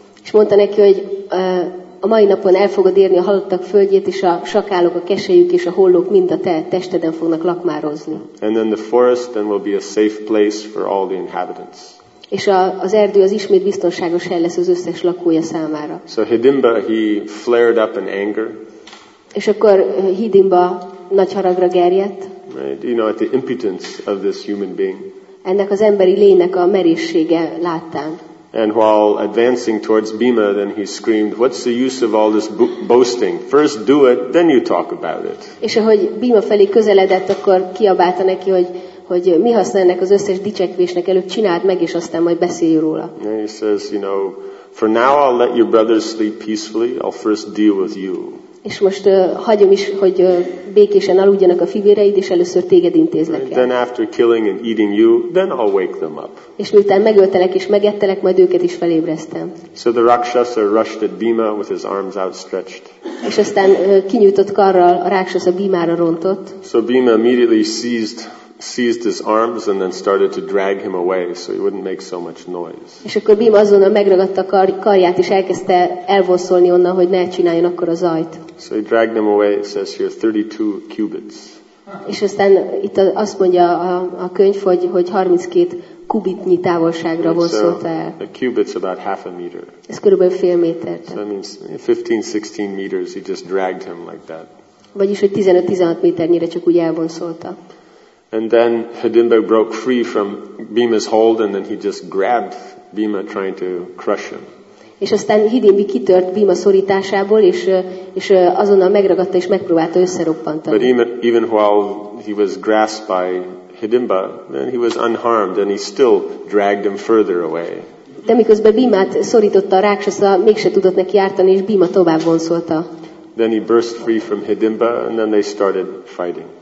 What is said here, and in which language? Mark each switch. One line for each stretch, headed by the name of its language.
Hungarian: És mondta neki, hogy a mai napon el fogod érni a halottak földjét, és a sakálok, a keselyük és a hollók mind a te testeden fognak lakmározni.
English: And then the forest then will be a safe place for all the inhabitants.
Hungarian: És az erdő az ismét biztonságos hely lesz az összes lakója számára.
English: So Hedimba, he flared up in anger.
Hungarian: És akkor Hedimba nagy haragra gerjedt.
English: Right. You know, at the impudence of this human being.
Hungarian: Ennek az emberi lénynek a merészsége láttán.
English: And while advancing towards Bhima, then he screamed, what's the use of all this boasting? First do it, then you talk about it.
Hungarian: És ahogy Bhima felé közeledett, akkor kiabálta neki, hogy mi haszna ennek az összes dicsekvésnek, előbb csináld meg, és aztán majd beszélj róla.
English: And he says, you know, for now I'll let your brothers sleep peacefully, I'll first deal with you.
Hungarian: És most hagyom is, hogy békésen aludjanak a fivéreid, és először téged intézlek el.
English: Then after killing and eating you, then I'll wake them up.
Hungarian: És miután megöltelek és megettelek, majd őket is felébresztem.
English: So the Rakshasa rushed at Bhima with his arms outstretched.
Hungarian: És aztán kinyújtott karral a Rakshasa Bhimára rontott.
English: So Bhima immediately seized his arms and then started to drag him away so he wouldn't make so much noise.
Hungarian: És akkor Bhima azonnal megragadta a karját és elkezdte elvonszolni onnan, hogy ne csináljon akkor a zajt.
English: So he dragged him away, it says here, 32 cubits.
Hungarian: És aztán itt azt mondja a könyv, hogy 32 kubitnyi távolságra vonszolta el.
English: A cubit's about half a meter.
Hungarian: Ez körülbelül fél méter.
English: So that means 15-16 meters, he just dragged him like that.
Hungarian: Vagyis, hogy 15-16 méternyire csak úgy elvonszolta.
English: And then Hedimba broke free from Bhima's hold, and then he just grabbed Bhima, trying to crush him.
Hungarian: És aztán Hedimba kitört Bhima szorításából, és azonnal megragadta és megpróbálta összeroppantani.
English: But even while he was grasped by Hedimba, then he was unharmed, and he still dragged him further away.
Hungarian: De miközben Bhimát szorította a Rakshasa, mégse tudott neki ártani, és Bhima tovább vonszolta.
English: Then he burst free from Hedimba, and then they started fighting.